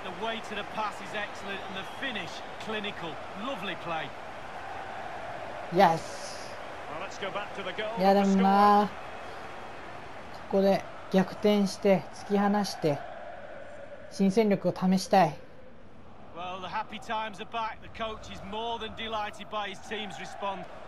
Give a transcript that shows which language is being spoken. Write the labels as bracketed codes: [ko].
[en] The weight of the pass is excellent and the finish clinical. Lovely play. Yes. Well, let's go back to the goal. [ja] いやでもなあ、ここで逆転して突き放して新戦力を試したい。 [en] Well, the happy times are back. The coach is more than delighted by his team's response.